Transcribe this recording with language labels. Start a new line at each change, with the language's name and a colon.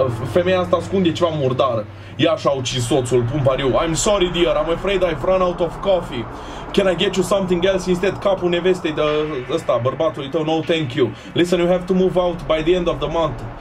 Romanian: femeia asta ascunde ceva murdar. Ia și-a ucis soțul, pun pariu.
English: I'm sorry, dear, I'm afraid I've run out of coffee. Can I get you something else instead?
Romanian: Capul nevestei, ăsta, bărbatului tău,
English: no, thank you. Listen, you have to move out by the end of the month.